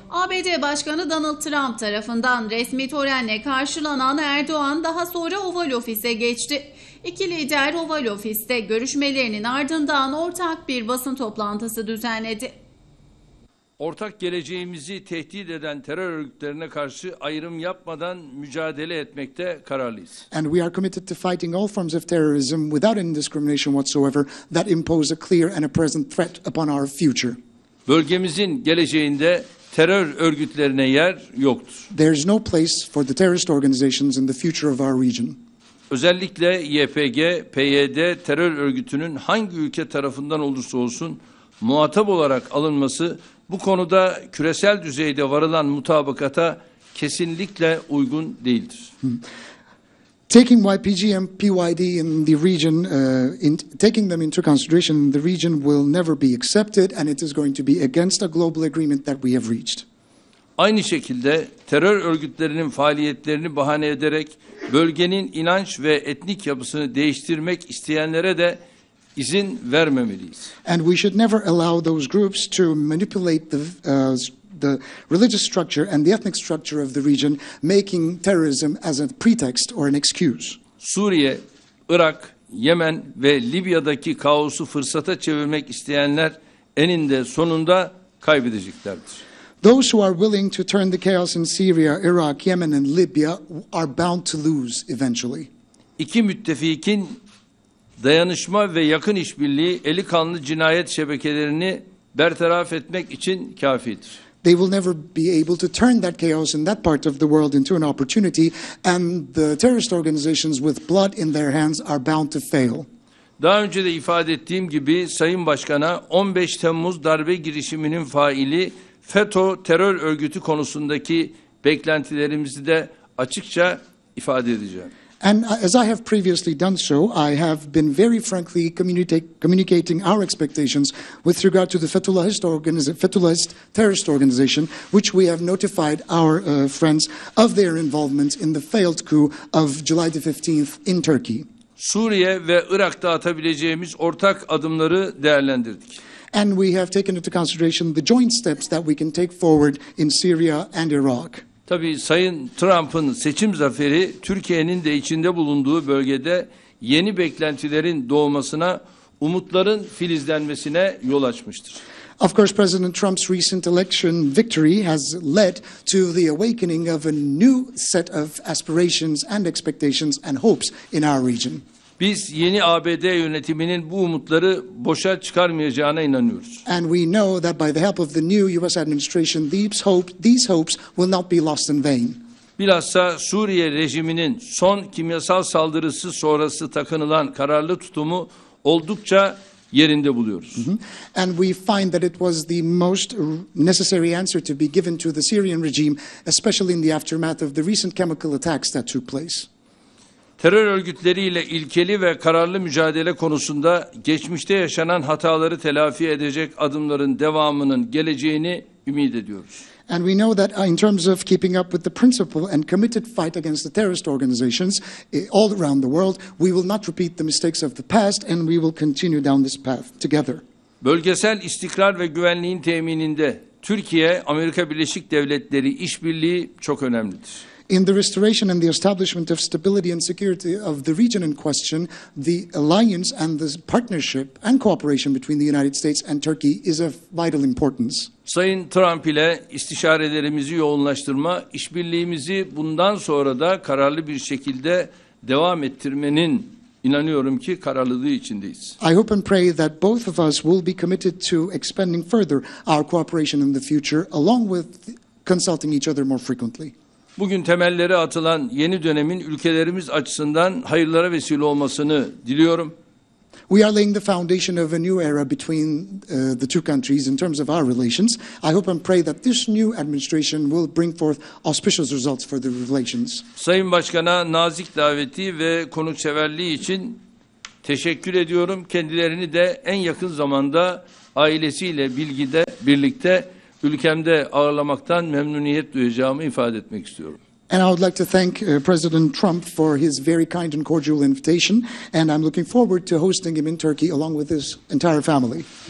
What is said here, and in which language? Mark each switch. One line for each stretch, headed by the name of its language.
Turkish: ABD Başkanı Donald Trump tarafından resmi törenle karşılanan Erdoğan daha sonra Oval Ofis'e geçti. İki lider Oval Ofis'te görüşmelerinin ardından ortak bir basın toplantısı düzenledi. Ortak geleceğimizi tehdit eden terör örgütlerine karşı ayrım yapmadan mücadele etmekte kararlıyız.
English: And we are committed to fighting all forms of terrorism without any discrimination whatsoever that impose a clear and a present threat upon our future.
Turkish: Bölgemizin geleceğinde terör örgütlerine yer yoktur.
English: There is no place for the terrorist organizations in the future of our region.
Turkish: Özellikle YPG, PYD terör örgütünün hangi ülke tarafından olursa olsun muhatap olarak alınması bu konuda küresel düzeyde varılan mutabakata kesinlikle uygun değildir.
English: Taking YPG and PYD in the region, taking them into consideration in the region will never be accepted and it is going to be against a global agreement that we have reached.
Turkish: Aynı şekilde terör örgütlerinin faaliyetlerini bahane ederek bölgenin inanç ve etnik yapısını değiştirmek isteyenlere de izin vermemeliyiz.
English: And we should never allow those groups to manipulate the religious structure and the ethnic structure of the region, making terrorism as a pretext or an excuse.
Turkish: Suriye, Irak, Yemen ve Libya'daki kaosu fırsata çevirmek isteyenler eninde sonunda kaybedeceklerdir.
English: Those who are willing to turn the chaos in Syria, Iraq, Yemen and Libya are bound to lose eventually.
Turkish: İki müttefikin dayanışma ve yakın işbirliği eli kanlı cinayet şebekelerini bertaraf etmek için kafidir.
English: They will never be able to turn that chaos in that part of the world into an opportunity and the terrorist organizations with blood in their hands are bound to fail.
Turkish: Daha önce de ifade ettiğim gibi Sayın Başkan'a 15 Temmuz darbe girişiminin faili FETÖ terör örgütü konusundaki beklentilerimizi de açıkça ifade edeceğim.
English: And as I have previously done so, I have been very frankly communicating our expectations with regard to the Fethullahist terrorist organization, which we have notified our friends of their involvement in the failed coup of July the 15th in Turkey.
Turkish: Suriye ve Irak'ta atabileceğimiz ortak adımları değerlendirdik.
English: And we have taken into consideration the joint steps that we can take forward in Syria and Iraq.
Turkish: Tabii Sayın Trump'ın seçim zaferi Türkiye'nin de içinde bulunduğu bölgede yeni beklentilerin doğmasına, umutların filizlenmesine yol açmıştır.
English: Of course, President Trump's recent election victory has led to the awakening of a new set of aspirations and expectations and hopes in our region.
Turkish: Biz yeni ABD yönetiminin bu umutları boşa çıkarmayacağına inanıyoruz.
English: And we know that by the help of the new US administration these hopes will not be lost in vain.
Turkish: Bilhassa Suriye rejiminin son kimyasal saldırısı sonrası takınılan kararlı tutumu oldukça yerinde buluyoruz. Mm-hmm.
English: And we find that it was the most necessary answer to be given to the Syrian regime, especially in the aftermath of the recent chemical attacks that took place.
Turkish: Terör örgütleriyle ilkeli ve kararlı mücadele konusunda geçmişte yaşanan hataları telafi edecek adımların devamının geleceğini ümit ediyoruz.
English: And we know that in terms of keeping up with the principle and committed fight against the terrorist organizations all around the world, we will not repeat the mistakes of the past and we will continue down this path together.
Turkish: Bölgesel istikrar ve güvenliğin temininde Türkiye Amerika Birleşik Devletleri işbirliği çok önemlidir.
English: In the restoration and the establishment of stability and security of the region in question, the alliance and the partnership and cooperation between the United States and Turkey is of vital importance.
Turkish: Sayın Trump ile istişarelerimizi yoğunlaştırma, işbirliğimizi bundan sonra da kararlı bir şekilde devam ettirmenin inanıyorum ki kararlılığı içindeyiz.
English: I hope and pray that both of us will be committed to expanding further our cooperation in the future along with consulting each other more frequently.
Turkish: Bugün temelleri atılan yeni dönemin ülkelerimiz açısından hayırlara vesile olmasını diliyorum.
English: We are laying the foundation of a new era between the two countries in terms of our relations. I hope and pray that this new administration will bring forth auspicious results for the relations.
Turkish: Sayın Başkan'a nazik daveti ve konukseverliği için teşekkür ediyorum. Kendilerini de en yakın zamanda ailesiyle birlikte ülkemde ağırlamaktan memnuniyet duyacağımı ifade etmek istiyorum.
English: And I would like to thank President Trump for his very kind and cordial invitation, and I'm looking forward to hosting him in Turkey along with his entire family.